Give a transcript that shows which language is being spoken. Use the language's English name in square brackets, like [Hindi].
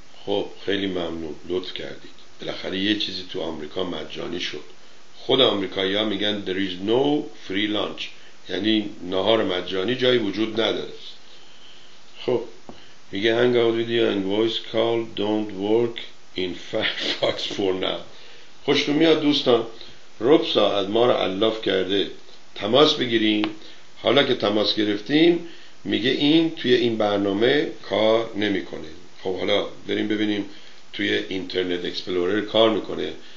[Persian] خب خیلی ممنون، لطف کردید، بالاخره یه چیزی تو آمریکا مجانی شد. خود آمریکایی‌ها میگن [English] there is no free lunch، [Persian] یعنی نهار مجانی جایی وجود نداره. [English] خب میگه hang out with you and voice call don't work in Firefox for now. [Persian] خوشتون میاد دوستان، ربع ساعت ما رو علاف کرده تماس بگیریم. حالا که تماس گرفتیم میگه این توی این برنامه کار نمیکنه. خب حالا بریم ببینیم توی اینترنت اکسپلورر کار میکنه.